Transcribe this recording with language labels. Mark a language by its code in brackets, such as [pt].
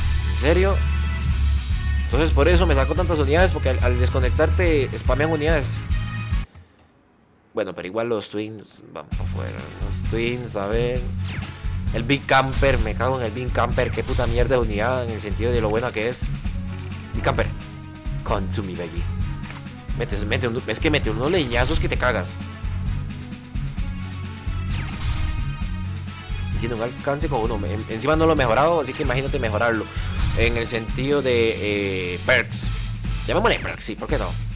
[es] ¿En serio? Entonces por eso me sacó tantas unidades, porque al desconectarte spamean unidades. Bueno, pero igual los twins van para afuera. Los twins, a ver. El Big Camper, me cago en el Big Camper. Qué puta mierda de unidad en el sentido de lo buena que es. [en] Big Camper, come to me, baby. [es] Mete unos leñazos que te cagas. Tiene un alcance con uno. Encima no lo he mejorado, así que imagínate mejorarlo. En el sentido de perks. Llamémosle perks, sí, ¿por qué no?